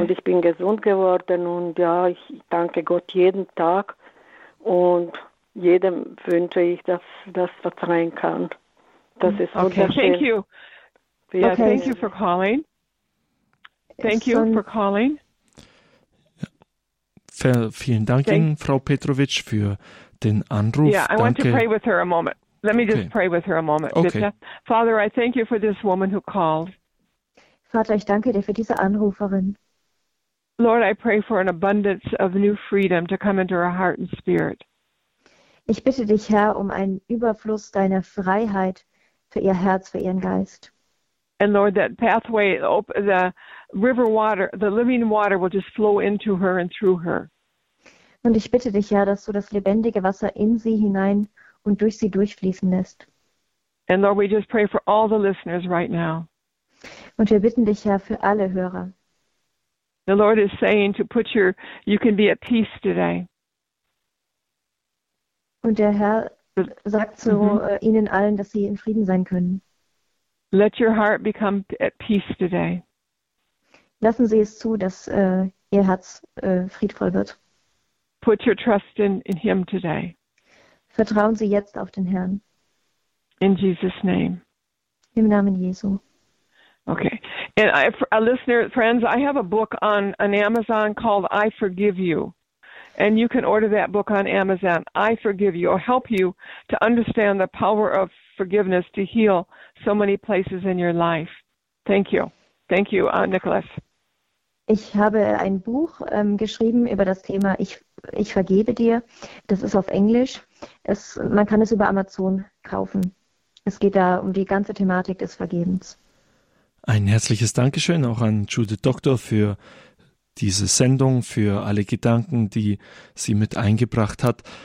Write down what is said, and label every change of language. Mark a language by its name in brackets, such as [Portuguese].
[German] Und ich bin gesund geworden und ja, ich danke Gott jeden Tag und jedem wünsche ich, dass das verzeihen kann. Das ist wunderschön. [English] Okay, thank you. Yeah, okay. Thank you for calling. Thank you for calling. [German] Vielen Dank Ihnen, Frau Petrovic, für den Anruf. [English] Yeah, I want to pray with her a moment. Let me just pray with her a moment. Okay. Father, I thank you for this woman who called. [German] Vater, ich danke dir für diese Anruferin. [English] Lord, I pray for an abundance of new freedom to come into her heart and spirit. [German] Ich bitte dich, Herr, einen Überfluss deiner Freiheit für ihr Herz, für ihren Geist. [English] And Lord, that pathway, the river water, the living water will just flow into her and through her. [German] Und ich bitte dich, Herr, dass du das lebendige Wasser in sie hinein und durch sie durchfließen lässt. [English] And Lord, we just pray for all the listeners right now. [German] Und wir bitten dich, Herr, für alle Hörer. [English] The Lord is saying to put your, you can be at peace today. [German] Und der Herr sagt so ihnen allen, dass sie in Frieden sein können. [English] Let your heart become at peace today. [German] Lassen Sie es zu, dass Ihr Herz friedvoll wird. [English] Put your trust in Him today. [German] Vertrauen Sie jetzt auf den Herrn. [English] In Jesus' name. [German] Im Namen Jesu. [English] Okay. And a listener, friends, I have a book on Amazon called I Forgive You. And you can order that book on Amazon. I Forgive You. It'll help you to understand the power of forgiveness to heal so many places in your life. Thank you. Thank you, Nicholas. [German] Ich habe ein Buch geschrieben über das Thema Ich vergebe dir. Das ist auf Englisch. Man kann es über Amazon kaufen. Es geht da um die ganze Thematik des Vergebens. Ein herzliches Dankeschön auch an Judith Doktor für diese Sendung, für alle Gedanken, die sie mit eingebracht hat.